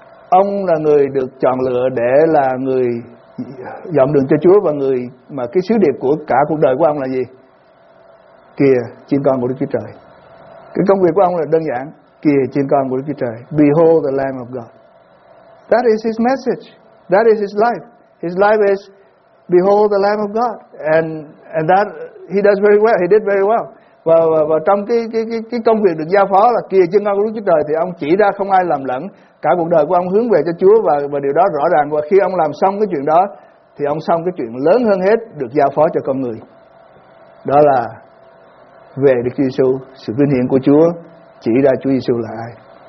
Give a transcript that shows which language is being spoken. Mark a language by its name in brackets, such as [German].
[Vietnamese] Ông là người được chọn lựa để là người dọn đường cho Chúa, và người mà cái sứ điệp của cả cuộc đời của ông là gì? Kìa chiên con của Đức Chúa Trời. Cái công việc của ông là đơn giản, kìa chiên con của Đức Chúa Trời. [English] Behold the Lamb of God. That is his message. That is his life. His life is behold the Lamb of God. And that he does very well. He did very well. [Vietnamese] Và trong cái công việc được giao phó là kìa chiên con của Đức Chúa Trời, thì ông chỉ ra không ai lầm lẫn. Cả cuộc đời của ông hướng về cho Chúa, và điều đó rõ ràng. Và khi ông làm xong cái chuyện đó thì ông xong cái chuyện lớn hơn hết được giao phó cho con người. Đó là về Đức Chúa Giê-xu, sự vinh hiển của Chúa, chỉ ra Chúa Giê-xu là ai.